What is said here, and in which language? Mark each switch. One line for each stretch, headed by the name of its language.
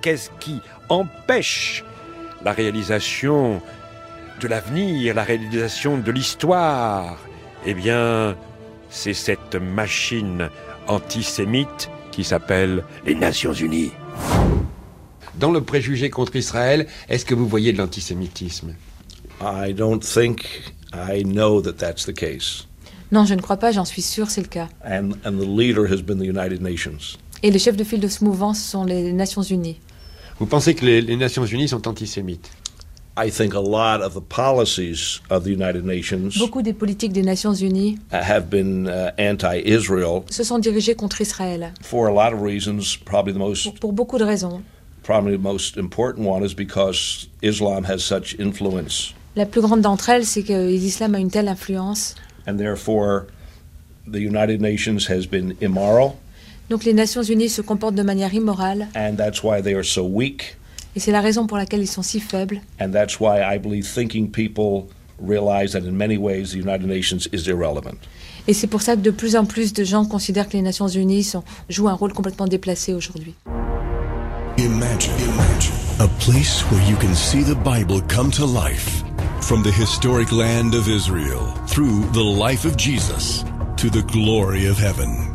French: Qu'est-ce qui empêche la réalisation de l'avenir, la réalisation de l'histoire ? Eh bien, c'est cette machine antisémite qui s'appelle les Nations Unies. Dans le préjugé contre Israël, est-ce que vous voyez de l'antisémitisme ?
English: I don't think I know that that's the case.
French: Non, je ne crois pas, j'en suis sûr, c'est le cas.
English: And the leader has been the United Nations.
French: Et le chef de file de ce mouvement, ce sont les Nations Unies. Vous pensez que les Nations Unies sont antisémites?
English: I think a lot of the policies of the United Nations.
French: Beaucoup des politiques des Nations Unies
English: have been anti-Israel.
French: Se sont dirigées contre Israël.
English: For a lot of reasons, probably the most.
French: Pour beaucoup de raisons.
English: Probably the most important one is because Islam has such influence.
French: La plus grande d'entre elles, c'est que l'islam a une telle influence.
English: And therefore, the United Nations has been immoral.
French: Donc les Nations Unies se comportent de manière immorale.
English: And that's why they are so weak.
French: Et c'est la raison pour laquelle ils sont si faibles.
English: And that's why I believe thinking people realize that in many ways the United Nations is irrelevant.
French: Et c'est pour ça que de plus en plus de gens considèrent que les Nations Unies jouent un rôle complètement déplacé aujourd'hui.
English: Imagine a place where you can see the Bible come to life. From the historic land of Israel, through the life of Jesus, to the glory of heaven.